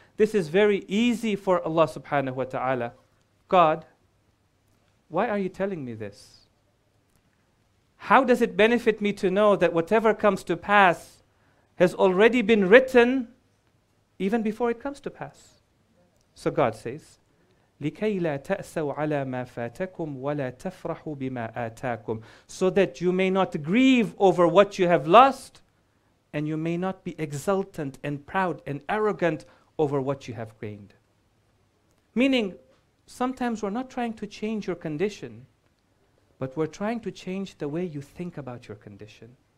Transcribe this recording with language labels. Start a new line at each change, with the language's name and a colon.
English: This is very easy for Allah subhanahu wa ta'ala. God, why are you telling me this? How does it benefit me to know that whatever comes to pass has already been written even before it comes to pass? So God says,
Arabic: لِكَيْ لَا تَأْسَوْ عَلَى مَا فَاتَكُمْ وَلَا تَفْرَحُوا بِمَا آتَاكُمْ.
English: So that you may not grieve over what you have lost, and you may not be exultant and proud and arrogant over what you have gained. Meaning, sometimes we're not trying to change your condition, but we're trying to change the way you think about your condition.